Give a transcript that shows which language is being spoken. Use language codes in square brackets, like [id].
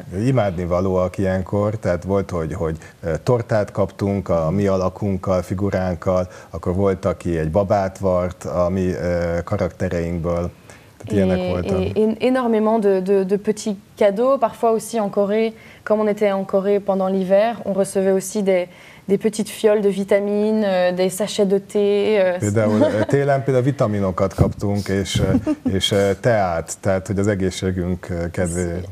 [hu] Imádni valóak ilyenkor, tehát volt, hogy tortát kaptunk a mi alakunkkal, figuránkkal, akkor volt, aki egy babát vart a mi karaktereinkből. [fr] Et énormément de petits cadeaux, parfois aussi en Corée, comme on était en Corée pendant l'hiver, on recevait aussi des petites fioles de vitamines, des sachets de thé. [hu] Például télen például vitaminokat kaptunk, és teát, tehát hogy az egészségünk kedvéért.